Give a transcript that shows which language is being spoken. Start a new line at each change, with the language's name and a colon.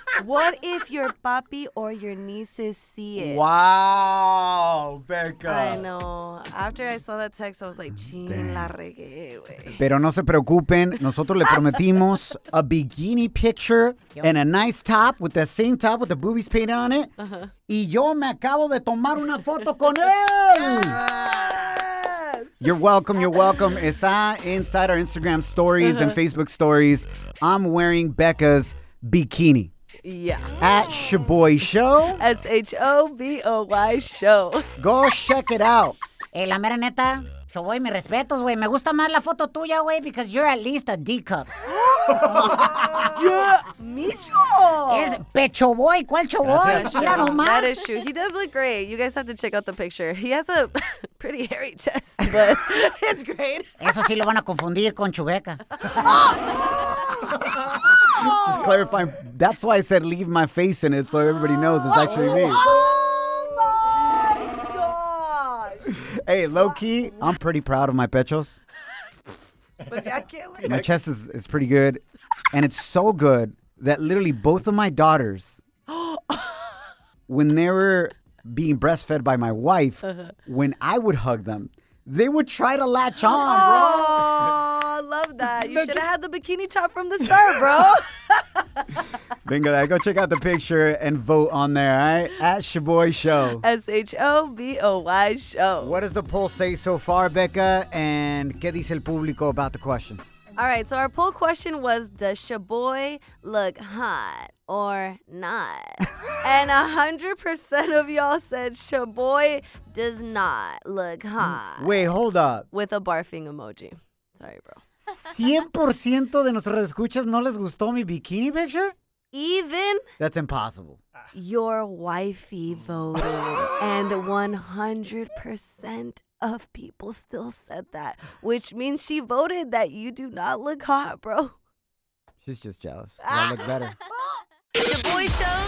English: What if your papi or your nieces see it? Wow, Becca. I know. After I saw that text, I was like, ching, damn,
Spanish: la regué, güey. Pero no se preocupen. Nosotros le prometimos
English: a bikini picture and a nice top with the same top with the boobies painted on it.
Spanish: Y yo me acabo de tomar una foto con él.
English: You're welcome, you're welcome.
Spanish: Está
English: inside our Instagram stories and Facebook stories. I'm wearing Becca's bikini. Yeah. At Shaboy Show. S-H-O-B-O-Y Show. Go check it out.
Spanish: Hey, la mera neta, Shaboy, mis respetos, güey. Me gusta más la foto tuya, güey,
English: because you're at least a D-cup. Yeah, Micho.
Spanish: Es Pecho Boy. ¿Cuál Shaboy? Mira nomás.
English: That is true. He does look great. You guys have to check out the picture. He has a pretty hairy chest, but it's great.
Spanish: Eso sí lo van a confundir con Chubeca.
English: Just clarifying, that's why I said leave my face in it so everybody knows it's actually me. Oh, my gosh. Hey, low-key, I'm pretty proud of my pechos. My chest is pretty good, and it's so good that literally both of my daughters, when they were being breastfed by my wife, when I would hug them, they would try to latch on, bro. That. You should have had the bikini top from the start, bro. Bingo that. Go check out the picture and vote on there, all right? At Shaboy Show. S-H-O-B-O-Y Show. What does the poll say so far, Becca? And
Spanish: ¿qué dice el público
English: about the question? All right, so our poll question was, does Shaboy look hot or not? And 100% of y'all said Shaboy does not look hot. Wait, hold up. With a barfing emoji. Sorry, bro.
Spanish: 100% de nuestros escuchas no les gustó mi
English: bikini picture? Even? That's impossible. Your wifey voted, and 100% of people still said that, which means she voted that you do not look hot, bro. She's just jealous. I look better. Your boy shows.